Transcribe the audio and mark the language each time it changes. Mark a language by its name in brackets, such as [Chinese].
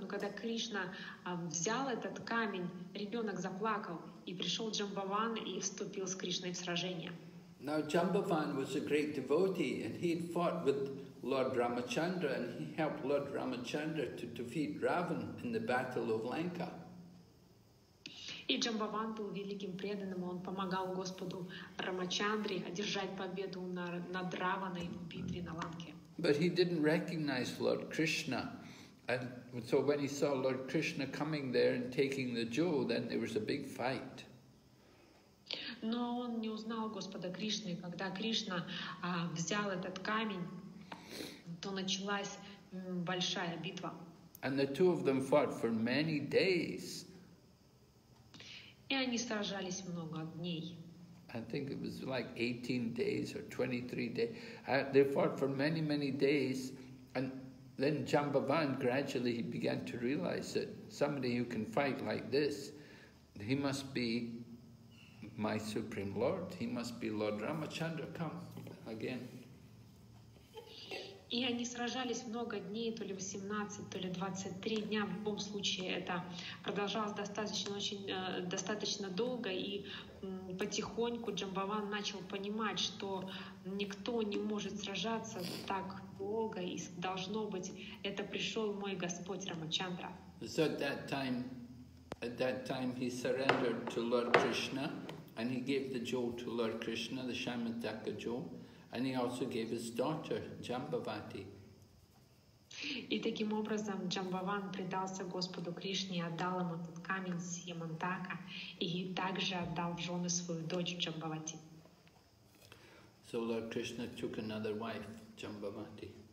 [Russian] Но когда Кришна взял этот камень, ребенок заплакал, и пришел Джамбаван и вступил с Кришной в сражение. [English] Now Jambavan was a great devotee, and he had fought with Lord Ramachandra, and he helped Lord Ramachandra to defeat Ravan in the Battle of Lanka. [Russian] И Джамбаван был великим преданным, он помогал Господу Рамачандре одержать победу над Раваной в битве на Ланке. [English] But he didn't recognize Lord Krishna, And so when he saw Lord Krishna coming there and taking the jewel, then there was a big fight. [Russian] Но он не узнал Господа Кришны, когда Кришна взял этот камень, то началась большая битва. [English] And the two of them fought for many days. [Russian] И они сражались много дней. [English] I think it was like 18 days or 23 days. They fought for many, many days, and then Jambavan gradually he began to realize that somebody who can fight like this, he must be my Supreme Lord, he must be Lord Ramachandra. Come again. [Russian] И они сражались много дней, то ли 18, то ли 23 дня. В любом случае, это продолжалось достаточно долго, и потихоньку Джамбаван начал понимать, что никто не может сражаться так долго, и должно быть, это пришел мой Господь Рамачандра. [English] So at that time he surrendered to Lord Krishna, and he gave the jewel to Lord Krishna, the Shyamataka jewel. And he also gave his daughter Jambavati. [Russian] И таким образом Джамбаван предался Господу Кришне, отдал ему этот камень с Ямантака, и также отдал в жены свою дочь Джамбавати. [English] So Lord Krishna took another wife, Jambavati.